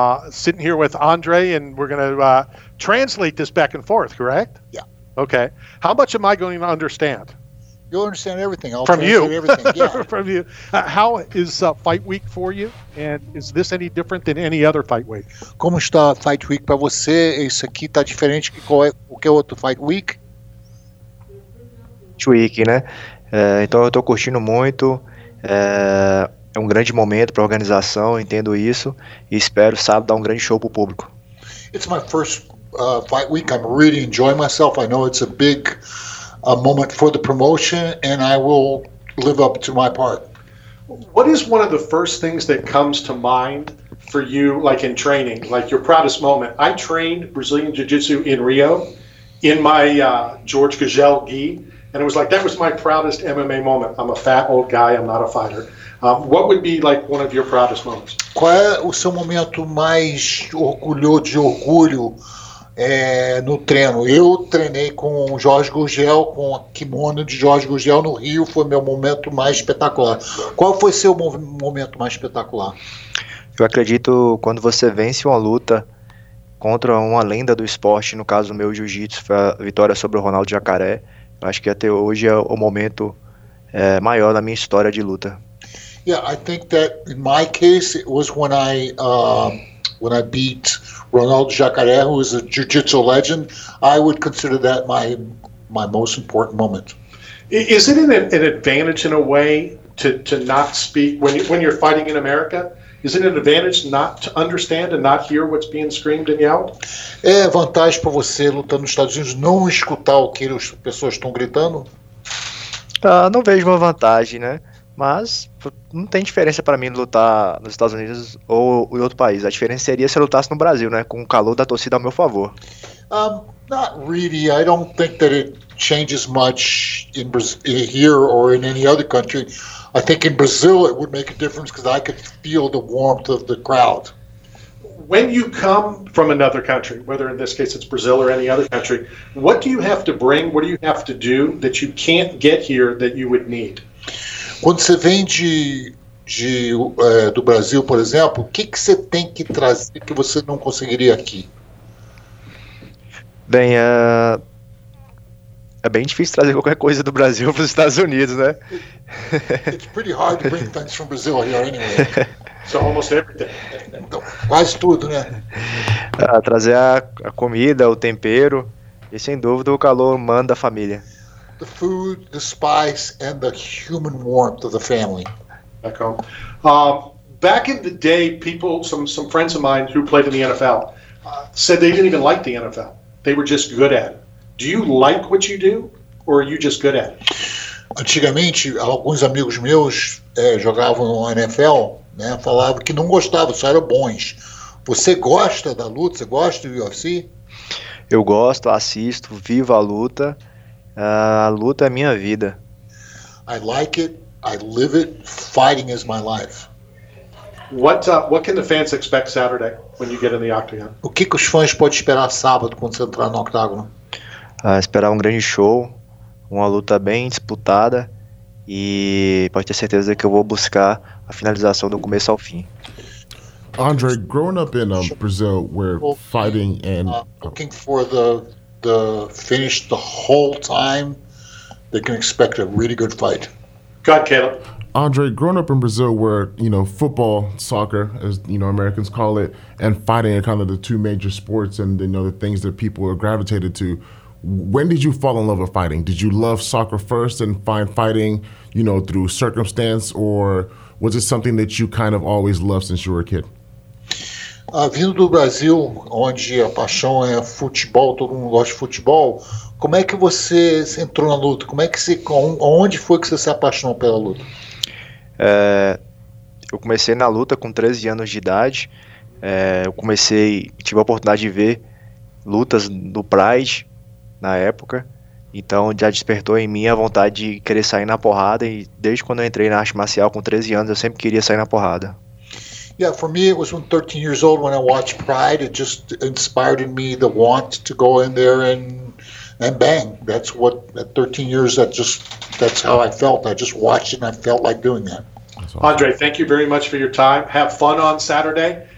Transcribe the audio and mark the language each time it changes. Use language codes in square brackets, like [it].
[en] Sitting here with Andre, and we're going to translate this back and forth, correct? Yeah. Okay. How much am I going to understand? You'll understand everything. I'll from you. Everything. Yeah. From you. How is fight week for you? And is this any different than any other fight week? [pt] Como está fight week para você? Isso aqui está diferente que qualquer outro fight week? Fight week, né? Então eu estou curtindo muito. É um grande momento para a organização, entendo isso. E espero sábado dar um grande show para o público. [en] It's my first fight week. I'm really enjoying myself. I know it's a big... a moment for the promotion, and I will live up to my part. What is one of the first things that comes to mind for you, like in training, like your proudest moment? I trained Brazilian Jiu-Jitsu in Rio in my George Gugel gi, and it was like, that was my proudest MMA moment. I'm a fat old guy, I'm not a fighter. What would be like one of your proudest moments? [pt] Qual é o seu momento mais orgulho? No treino, eu treinei com o Jorge Gurgel, com a kimono de Jorge Gurgel no Rio, foi meu momento mais espetacular. Qual foi seu momento mais espetacular? Eu acredito quando você vence uma luta contra uma lenda do esporte, no caso o meu jiu-jitsu, foi a vitória sobre o Ronaldo Jacaré. Eu acho que até hoje é o momento maior da minha história de luta. [en] Yeah, I think that in my case it was when I beat Ronaldo Jacaré, who is a jiu-jitsu legend. I would consider that my most important moment. Is it an advantage in a way to not speak when you're fighting in America? Is it an advantage not to understand and not hear what's being screamed and yelled? [pt] É vantagem para você lutando nos Estados Unidos não escutar o que as pessoas estão gritando? Não vejo uma vantagem, né? Mas não tem diferença para mim lutar nos Estados Unidos ou em outro país. A diferença seria se eu lutasse no Brasil, né, com o calor da torcida ao meu favor. [en] Not really. I don't think that it changes much in here or in any other country. I think in Brazil it would make a difference because I could feel the warmth of the crowd. When you come from another country, whether in this case it's Brazil or any other country, what do you have to bring? What do you have to do that you can't get here that you would need? [pt] Quando você vem do Brasil, por exemplo, o que, que você tem que trazer que você não conseguiria aqui? Bem, é bem difícil trazer qualquer coisa do Brasil para os Estados Unidos, né? [en] It's pretty hard to bring things from Brazil here anyway. So almost everything. [pt] Então, quase tudo, né? Trazer a comida, o tempero e, sem dúvida, o calor humano da família. [en] The food, the spice, and the human warmth of the family. Back home. Back in the day, people, some friends of mine who played in the NFL, said they didn't even like the NFL. They were just good at it. Do you like what you do, or are you just good at it? [pt] Antigamente, alguns amigos meus jogavam no NFL, né, falavam que não gostavam, só eram bons. Você gosta da luta? Você gosta do UFC? Eu gosto, assisto, vivo a luta. A luta é minha vida. [en] I like it. I live it. Fighting is my life. What can the fans expect Saturday when you get in the octagon? [pt] O que os fãs podem esperar sábado quando você entrar no octágono? Esperar um grande show, uma luta bem disputada e pode ter certeza que eu vou buscar a finalização do começo ao fim. [en] Andre, growing up in Brazil, we're fighting and looking for the finish the whole time, they can expect a really good fight. God, Caleb. Andre, growing up in Brazil where, you know, football, soccer, as, you know, Americans call it, and fighting are kind of the two major sports and, you know, the things that people are gravitated to, when did you fall in love with fighting? Did you love soccer first and find fighting, you know, through circumstance, or was it something that you kind of always loved since you were a kid? [pt] Vindo do Brasil, onde a paixão é futebol, todo mundo gosta de futebol, como é que você entrou na luta? Como é que onde foi que você se apaixonou pela luta? Eu comecei na luta com 13 anos de idade. Tive a oportunidade de ver lutas do Pride na época. Então já despertou em mim a vontade de querer sair na porrada. E desde quando eu entrei na arte marcial com 13 anos, eu sempre queria sair na porrada. [en] Yeah, for me, it was when 13 years old when I watched Pride. It just inspired in me the want to go in there and bang. That's what, at 13 years, that's how I felt. I just watched it and I felt like doing that. Awesome. Andre, thank you very much for your time. Have fun on Saturday.